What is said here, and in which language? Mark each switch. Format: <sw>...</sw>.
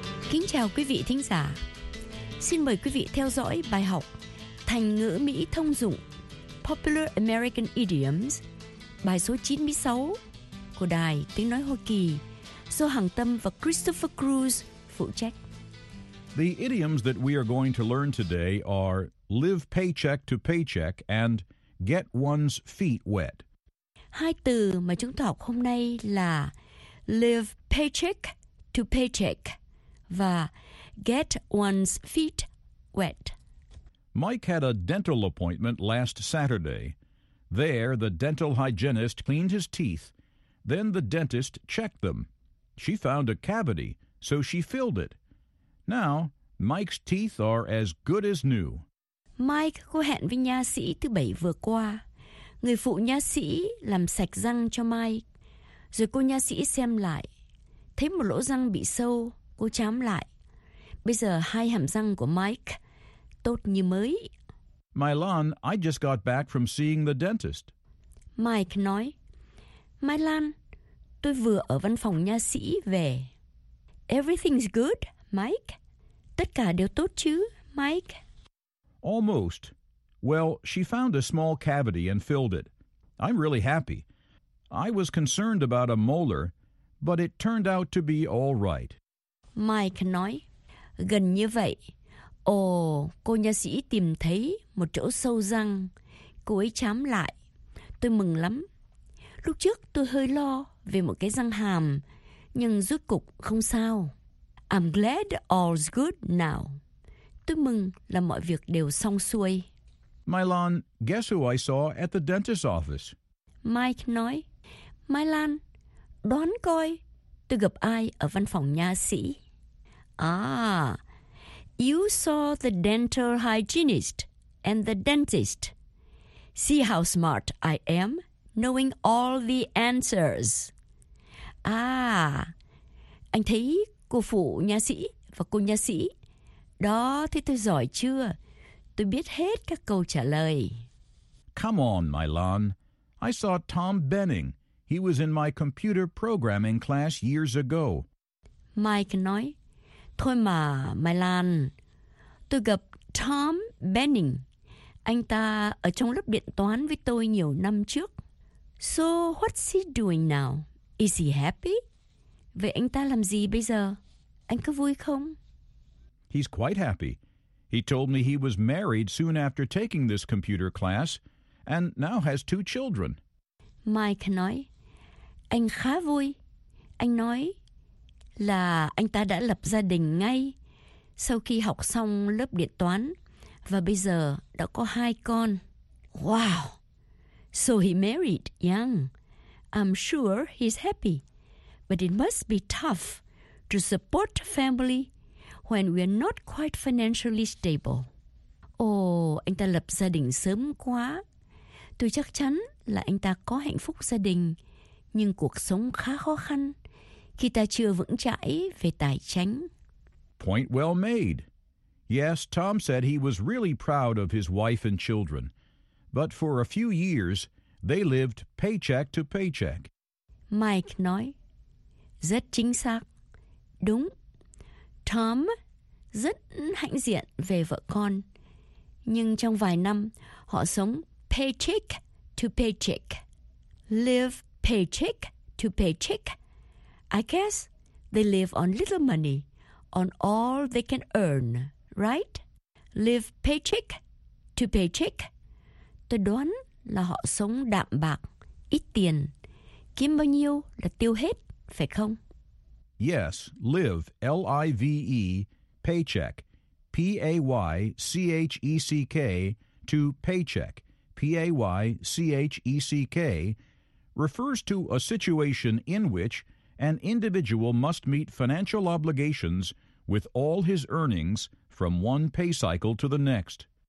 <vi>Kính chào quý vị thính giả. Xin mời quý vị theo dõi bài học thành ngữ Mỹ thông dụng Popular American Idioms, bài số 96 của Đài Tiếng Nói Hoa Kỳ, do Hằng Tâm và Christopher Cruz phụ trách.</vi> <en>The idioms that we are going to learn today are live paycheck to paycheck and get one's feet wet.</en> <vi>Hai từ mà chúng ta học hôm nay là</vi> <en>live paycheck to paycheck</en> <vi>và</vi> <en>get one's feet wet. Mike had a dental appointment last Saturday. There, the dental hygienist cleaned his teeth. Then the dentist checked them. She found a cavity, so she filled it. Now, Mike's teeth are as good as new.</en> <vi>Mike có hẹn với nha sĩ thứ bảy vừa qua. Người phụ nha sĩ làm sạch răng cho Mike. Rồi cô nha sĩ xem lại. Thấy một lỗ răng bị sâu, cô chám lại. Bây giờ hai hàm răng của Mike tốt như mới.</vi> <en>Mylan, I just got back from seeing the dentist.</en> <vi>Mike nói, Mylan, tôi vừa ở văn phòng nha sĩ về.</vi> <en>Everything's good, Mike?</en> <vi>Tất cả đều tốt chứ, Mike?</vi> <en>Almost. Well, she found a small cavity and filled it. I'm really happy. I was concerned about a molar, but it turned out to be all right.</en> <vi>Mike nói, gần như vậy. Ồ, cô nha sĩ tìm thấy một chỗ sâu răng. Cô ấy chám lại. Tôi mừng lắm. Lúc trước tôi hơi lo về một cái răng hàm, nhưng rốt cục không sao.</vi> <en>I'm glad all's good now.</en> <vi>Tôi mừng là mọi việc đều xong xuôi.</vi> <en>Mylan, guess who I saw at the dentist's office?</en> <vi>Mike nói, Mylan, đoán coi tôi gặp ai ở văn phòng nha sĩ.</vi> <en>Ah, you saw the dental hygienist and the dentist. See how smart I am, knowing all the answers.</en> <vi>Ah, anh thấy cô phụ nha sĩ và cô nha sĩ. Đó, thế tôi giỏi chưa? Tôi biết hết các câu trả lời.</vi> <en>Come on, Mylan. I saw Tom Benning. He was in my computer programming class years ago.</en> <vi>Mike nói, thôi mà, Mylan. Tôi gặp Tom Benning. Anh ta ở trong lớp điện toán với tôi nhiều năm trước.</vi> <en>So, what's he doing now? Is he happy?</en> <vi>Vậy anh ta làm gì bây giờ? Anh có vui không?</vi> <en>He's quite happy. He told me he was married soon after taking this computer class and now has two children.</en> <vi>Mike nói, anh khá vui. Anh nói là anh ta đã lập gia đình ngay sau khi học xong lớp điện toán và bây giờ đã có hai con.</vi> <en>Wow! So he married young. I'm sure he's happy. But it must be tough to support a family when we're not quite financially stable.</en> <vi>Anh ta lập gia đình sớm quá. Tôi chắc chắn là anh ta có hạnh phúc gia đình, nhưng cuộc sống khá khó khăn khi ta chưa vững chãi về tài chính.</vi> <en>Point well made. Yes, Tom said he was really proud of his wife and children. But for a few years, they lived paycheck to paycheck.</en> <vi>Mike nói, rất chính xác. Đúng. Tom rất hãnh diện về vợ con. Nhưng trong vài năm, họ sống paycheck to paycheck.</vi> <en>Live paycheck to paycheck. I guess they live on little money, on all they can earn, right? Live paycheck to paycheck.</en> <vi>Tôi đoán là họ sống đạm bạc, ít tiền. Kiếm bao nhiêu là tiêu hết, phải không?</vi> <en>Yes, live, L-I-V-E, paycheck, P-A-Y-C-H-E-C-K, to paycheck, P-A-Y-C-H-E-C-K, refers to a situation in which an individual must meet financial obligations with all his earnings from one pay cycle to the next.</en>